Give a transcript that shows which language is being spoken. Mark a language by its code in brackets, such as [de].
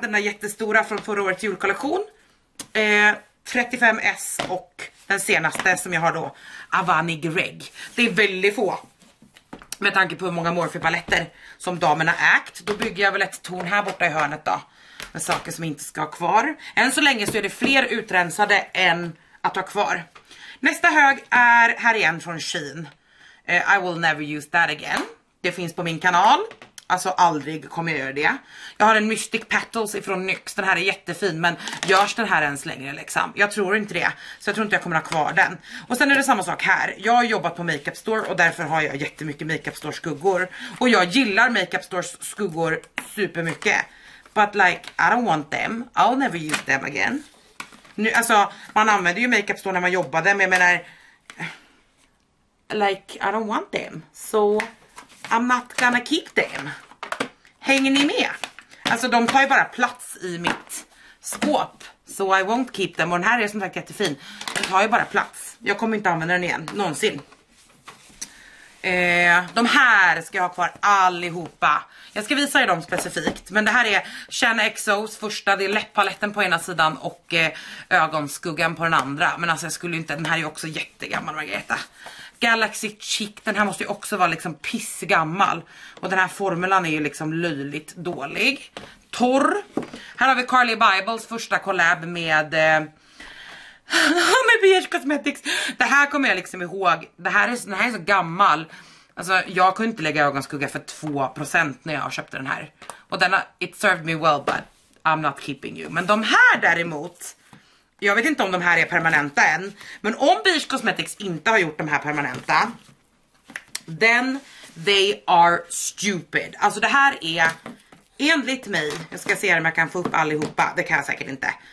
[sv] Den där jättestora från förra årets julkollektion. 35S och den senaste som jag har då, Avani Greg. Det är väldigt få. Med tanke på hur många Morphe-paletter som damerna ägt. Då bygger jag väl ett torn här borta i hörnet då. Med saker som inte ska ha kvar. Än så länge så är det fler utrensade än att ha kvar. Nästa hög är här igen från Shein. [en] I will never use that again. [sv] Det finns på min kanal. Alltså aldrig kommer jag göra det. Jag har en Mystic Petals ifrån NYX. Den här är jättefin men görs den här ens längre liksom? Jag tror inte det. Så jag tror inte jag kommer ha kvar den. Och sen är det samma sak här. Jag har jobbat på Makeup Store och därför har jag jättemycket Makeup Store skuggor. Och jag gillar Makeup Stores skuggor supermycket. [en] But like, I don't want them. I'll never use them again. [sv] Nu, alltså, man använde ju Makeup Store när man jobbade. Men jag menar, [en] like, I don't want them. So, I'm not gonna keep them. [sv] Hänger ni med? Alltså, de tar ju bara plats i mitt skåp. [en] So, I won't keep them. [sv] Och den här är som sagt jättefin. Den tar ju bara plats. Jag kommer inte använda den igen. Någonsin. De här ska jag ha kvar allihopa. Jag ska visa er dem specifikt. Men det här är Shanna Exos första. Det är läpppaletten på ena sidan och ögonskuggan på den andra. Men alltså jag skulle inte, den här är också jättegammal, Margareta. Galaxy Chic, den här måste ju också vara liksom pissgammal. Och den här formulan är ju liksom löjligt dålig. Torr. Här har vi Carly Bibles första collab med med BH Cosmetics. Det här kommer jag liksom ihåg. Den här är så gammal. Alltså jag kunde inte lägga ögonskugga för 2% när jag köpte den här. Och den har, [en] it served me well but I'm not keeping you. [sv] Men de här däremot, jag vet inte om de här är permanenta än. Men om BH Cosmetics inte har gjort de här permanenta, [en] then they are stupid. [sv] Alltså det här är enligt mig, jag ska se om jag kan få upp allihopa. Det kan jag säkert inte.